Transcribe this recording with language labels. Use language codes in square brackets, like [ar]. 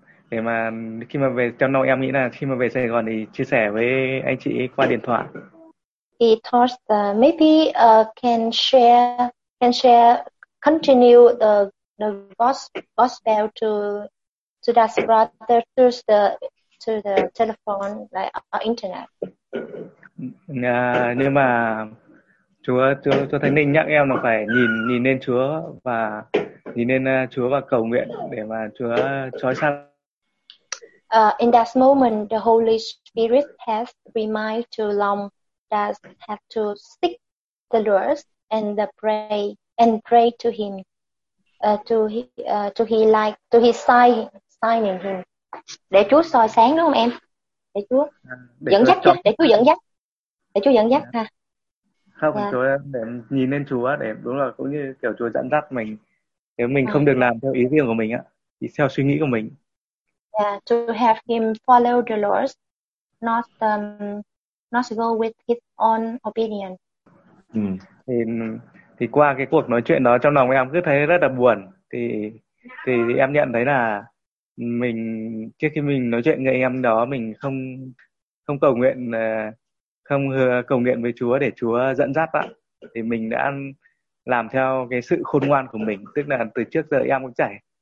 [vi] Để mà khi mà về trong đầu em nghĩ là khi mà về Sài Gòn thì chia sẻ với anh chị qua điện thoại. [en] He thought that maybe can share continue the gospel to that brother through the telephone like internet. [vi] Nhưng mà Chúa Thánh Linh nhắc em là phải nhìn lên Chúa và nhìn lên Chúa và cầu nguyện để mà Chúa chói sáng. [en] In that moment, the Holy Spirit has reminded to Long that have to seek the Lord and pray to Him, to His sign in Him. [vi] Để Chúa soi sáng đúng không em? Để Chúa dẫn dắt ha. Không, yeah. Chúa để nhìn lên Chúa để đúng là cũng như kiểu Chúa dẫn dắt mình. Nếu mình không được làm theo ý riêng của mình á, thì theo suy nghĩ của mình. [en] Yeah, to have him follow the Lord, not go with his own opinion. [vi] Thì qua cái cuộc nói chuyện đó trong lòng em cứ thấy rất là buồn. Thì em nhận thấy là mình trước khi mình nói chuyện với em đó mình không cầu nguyện với Chúa để Chúa dẫn dắt ạ. Thì mình đã làm theo cái sự khôn ngoan của mình, tức là từ trước giờ em cũng chảy.